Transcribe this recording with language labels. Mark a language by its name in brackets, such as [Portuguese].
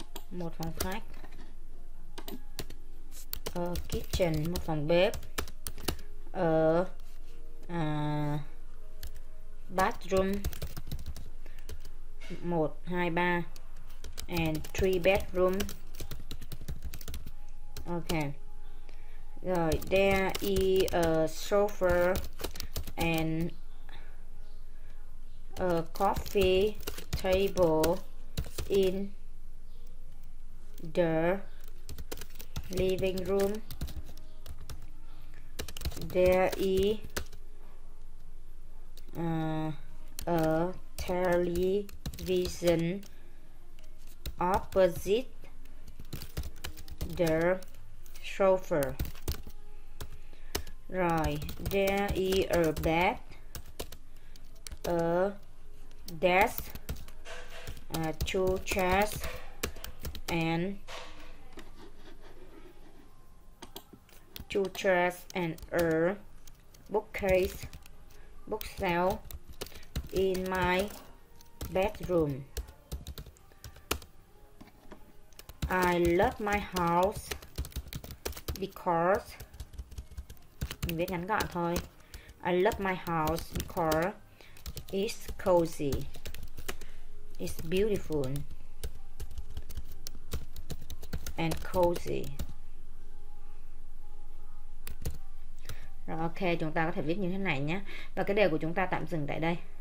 [Vietnamese] Một phòng khách, [English] a kitchen, [Vietnamese] một phòng bếp, [English] a bathroom, 1, 2, 3 and 3 bedroom. Ok. Rồi, there is a sofa and a coffee table in the living room. There is a television opposite the sofa. Right. There is a bed, a desk, two chairs, and two chairs and a bookcase, bookshelf in my bedroom. I love my house because, [Vietnamese] mình viết ngắn gọn thôi. [English] I love my house because it's cozy, it's beautiful and cozy. [Vietnamese] Rồi, ok, chúng ta có thể viết như thế này nhé. Và cái đề của chúng ta tạm dừng tại đây.